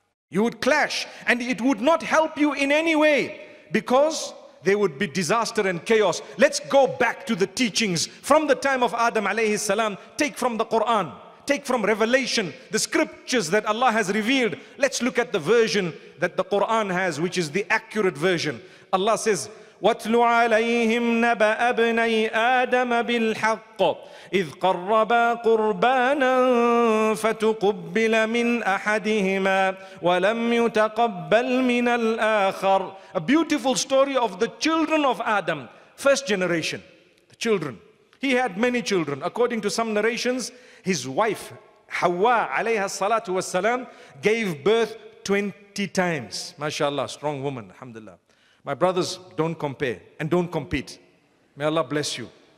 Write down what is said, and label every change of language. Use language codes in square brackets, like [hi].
[en] You would clash, and it would not help you in any way, because there would be disaster and chaos. Let's go back to the teachings from the time of Adam alayhi salam. Take from the Quran, take from revelation, the scriptures that Allah has revealed. Let's look at the version that the Quran has, which is the accurate version. Allah says, [ar] واتل عليهم نبأ ابني آدم بالحق إذ قربا قربانا فتقبل من أحدهما ولم يتقبل من الآخر. [en] A beautiful story of the children of Adam, first generation, the children. He had many children. According to some narrations, his wife Hawa alayha salatu wasalam gave birth 20 times. MashaAllah, strong woman, alhamdulillah. My brothers, don't compare and don't compete. May Allah bless you.